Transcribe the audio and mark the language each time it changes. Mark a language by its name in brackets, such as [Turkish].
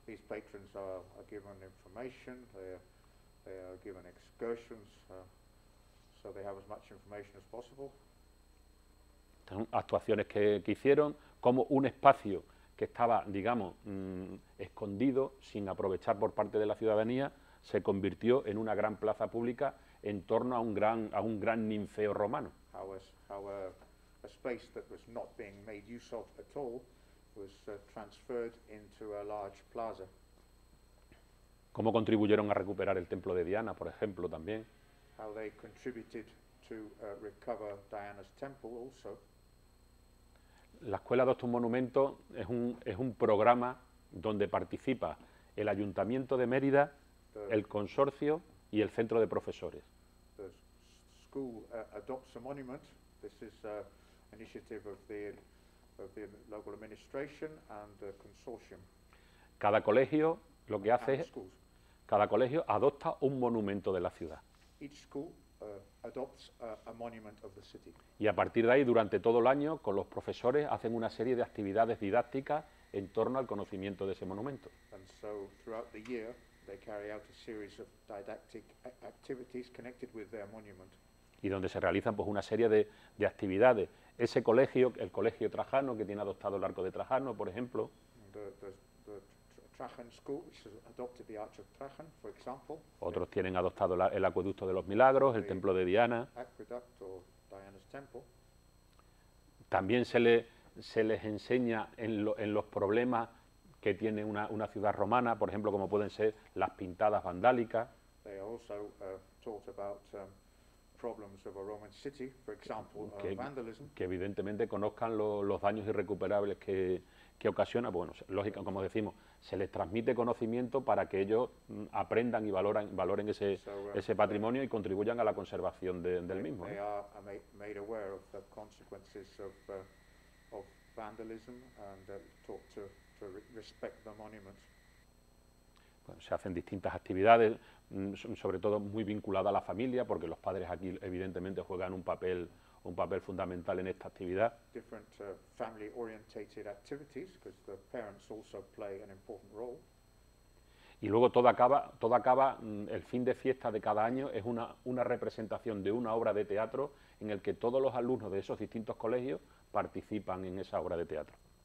[English] These patrons are given information, they are given excursions, so they have as much information as possible. [Spanish] Son actuaciones que hicieron, como un espacio que estaba, digamos, escondido, sin aprovechar por parte de la ciudadanía, se convirtió en una gran plaza pública en torno a un gran ninfeo romano. [English] How a space that was not being made use of at all was transferred into a large plaza. [Spanish] ¿Cómo contribuyeron a recuperar el templo de Diana, por ejemplo, también? [English] How they contributed to recover Diana's temple also. [Spanish] La Escuela Adopta un Monumento es un programa donde participa el Ayuntamiento de Mérida, el Consorcio y el Centro de Profesores. [English] The school adopts a monument. This is an initiative of the local administration and the consortium. [Spanish] Cada colegio lo que hace es, cada colegio adopta un monumento de la ciudad. [English] Each school adopts a monument of the city. [Spanish] Y a partir de ahí, durante todo el año, con los profesores hacen una serie de actividades didácticas en torno al conocimiento de ese monumento. [English] And so throughout the year they carry out a series of didactic activities connected with their monument. [Spanish] Y donde se realizan pues una serie de actividades. Ese colegio, el Colegio Trajano, que tiene adoptado el Arco de Trajano, por ejemplo. [English] The Trajan School, which has adopted the Arch of Trajan, for example. [Spanish] Otros tienen adoptado el Acueducto de los Milagros, el Templo de Diana. [English] Aqueduct or Diana's Temple. [Spanish] También se les enseña en los problemas que tiene una ciudad romana, por ejemplo, como pueden ser las pintadas vandálicas. [English] They also taught about problems of a Roman city, for example, vandalism. [Spanish] Que evidentemente conozcan los daños irrecuperables que ocasiona. Bueno, lógico, como decimos, se les transmite conocimiento para que ellos aprendan y valoren ese patrimonio y contribuyan a la conservación del mismo. [English] They are made aware of the consequences of vandalism and taught to respect the monument. [Spanish] Bueno, se hacen distintas actividades, sobre todo muy vinculada a la familia, porque los padres aquí evidentemente juegan un papel fundamental en esta actividad. [English] Different family-oriented activities, because the parents also play an important role. [Spanish] Y luego todo acaba, el fin de fiesta de cada año es una representación de una obra de teatro en el que todos los alumnos de esos distintos colegios participan en esa obra de teatro.